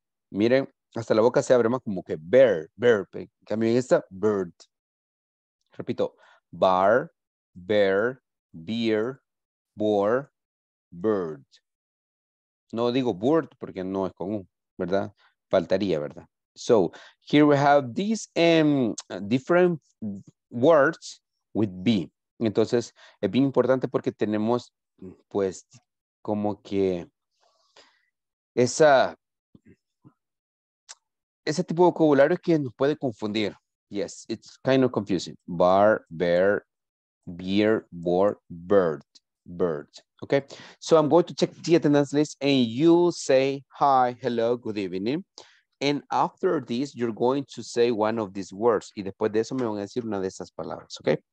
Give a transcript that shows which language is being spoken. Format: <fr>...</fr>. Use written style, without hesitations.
<es>Miren, hasta la boca se abre más como que bear, bear. En cambio, en esta, bird.</es> <en>Repito, bar, bear, beer, boar, bird.</en> <es>No digo bird porque no es común, ¿verdad? Faltaría, ¿verdad?</es> <en>So, here we have these different words with be.</en> <es>Entonces, es bien importante porque tenemos, pues... Como que ese tipo de vocabulario que nos puede confundir.</es> <en>Yes, it's kind of confusing. Bar, bear, beer, board, bird, bird. Okay, so I'm going to check the attendance list and you say hi, hello, good evening. And after this, you're going to say one of these words.</en> <es>Y después de eso me van a decir una de esas palabras, okay?</es>